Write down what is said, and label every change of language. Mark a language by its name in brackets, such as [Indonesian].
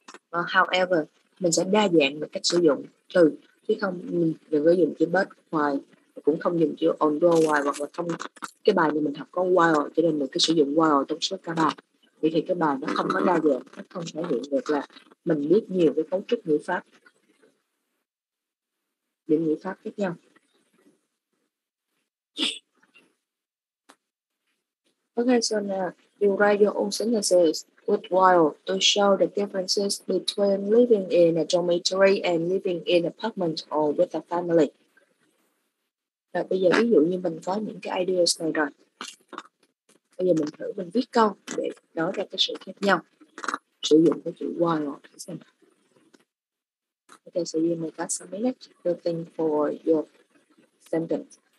[Vietnamese] However, mình sẽ đa dạng về cách sử dụng từ, chứ không đừng có dùng chữ but hoài, cũng không dùng chữ although hoài, hoặc là không cái bài này mình học có while, cho nên mình cứ sử dụng while trong suốt cả bài. Vậy thì cái bài nó không có đa dạng, nó không thể hiện được là mình biết nhiều cái cấu trúc ngữ pháp, những ngữ pháp khác nhau. [English] Okay, so now you write your own sentences with while to show the differences between living in a dormitory and living in an apartment or with a family. [Vietnamese] Rồi bây giờ ví dụ như mình có những cái ideas này rồi, bây giờ mình thử mình viết câu để nói ra cái sự khác nhau sử dụng cái chữ while thử xem. [English] Okay, so you may got some minutes to think for your sentence.